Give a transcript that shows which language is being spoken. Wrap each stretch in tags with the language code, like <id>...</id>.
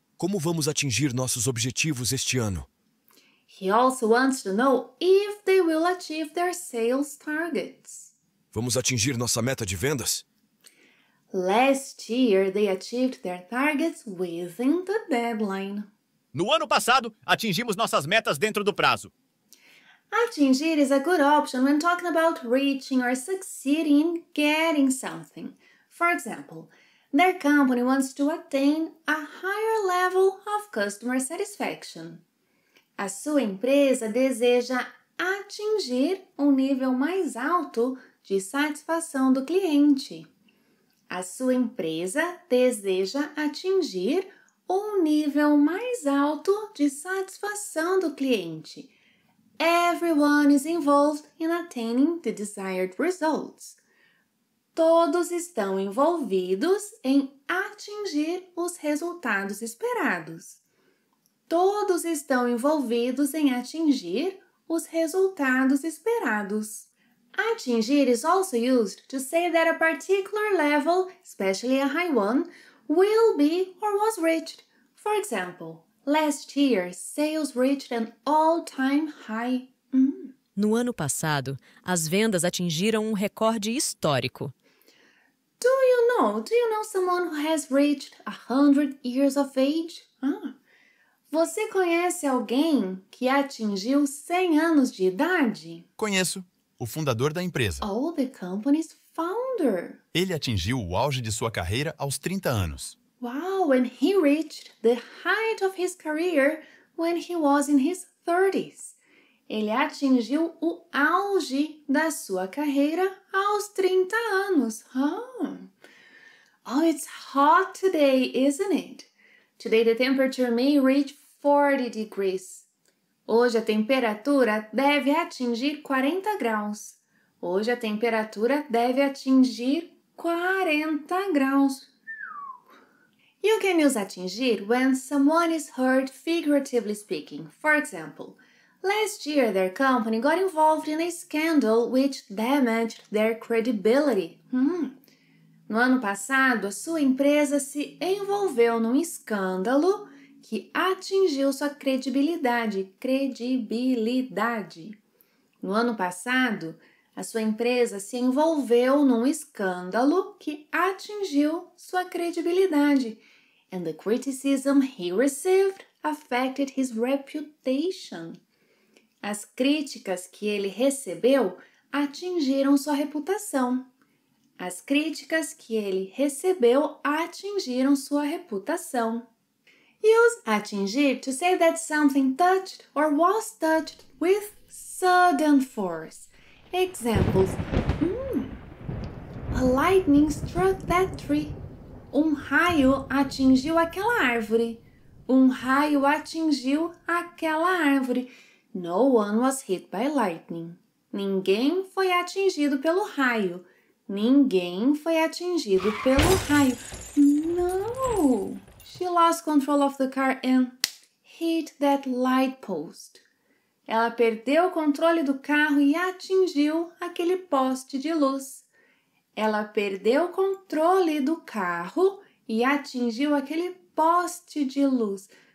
<pt>Como vamos atingir nossos objetivos este ano?</pt> <en>He also wants to know if they will achieve their sales targets.</en> <pt>Vamos atingir nossa meta de vendas?</pt> <en>Last year, they achieved their targets within the deadline.</en> <pt>No ano passado, atingimos nossas metas dentro do prazo.</pt> <en>Atingir is a good option when talking about reaching or succeeding in getting something. For example, their company wants to attain a higher level of customer satisfaction.</en> <pt>A sua empresa deseja atingir um nível mais alto de satisfação do cliente. A sua empresa deseja atingir um nível mais alto de satisfação do cliente.</pt> <en>Everyone is involved in attaining the desired results.</en> <pt>Todos estão envolvidos em atingir os resultados esperados. Todos estão envolvidos em atingir os resultados esperados.</pt> <en>Atingir is also used to say that a particular level, especially a high one, will be or was reached. For example, last year, sales reached an all-time high.</en> <pt>No ano passado, as vendas atingiram um recorde histórico.</pt> <en>Do you know someone who has reached 100 years of age?</en> <pt>Você conhece alguém que atingiu 100 anos de idade? Conheço. O fundador da empresa.</pt> <en>Oh, the company's founder.</en> <pt>Ele atingiu o auge de sua carreira aos 30 anos.</pt> <en>Wow, and he reached the height of his career when he was in his 30s.</en> <pt>Ele atingiu o auge da sua carreira aos 30 anos, huh?</pt> <en>Oh, it's hot today, isn't it? Today the temperature may reach 40 degrees.</en> <pt>Hoje a temperatura deve atingir 40 graus. Hoje a temperatura deve atingir 40 graus.</pt> <en>You can use atingir when someone is hurt figuratively speaking. For example, last year their company got involved in a scandal which damaged their credibility.</en> <pt>No ano passado, a sua empresa se envolveu num escândalo que atingiu sua credibilidade. Credibilidade. No ano passado, a sua empresa se envolveu num escândalo que atingiu sua credibilidade.</pt> <en>And the criticism he received affected his reputation.</en> <pt>As críticas que ele recebeu atingiram sua reputação. As críticas que ele recebeu atingiram sua reputação.</pt> <en>Use atingir to say that something touched or was touched with sudden force. Examples. A lightning struck that tree.</en> <pt>Um raio atingiu aquela árvore. Um raio atingiu aquela árvore.</pt> <en>No one was hit by lightning.</en> <pt>Ninguém foi atingido pelo raio. Ninguém foi atingido pelo raio. No!</pt> <en>She lost control of the car and hit that light post.</en> <pt>Ela perdeu o controle do carro e atingiu aquele poste de luz. Ela perdeu o controle do carro e atingiu aquele poste de luz.</pt>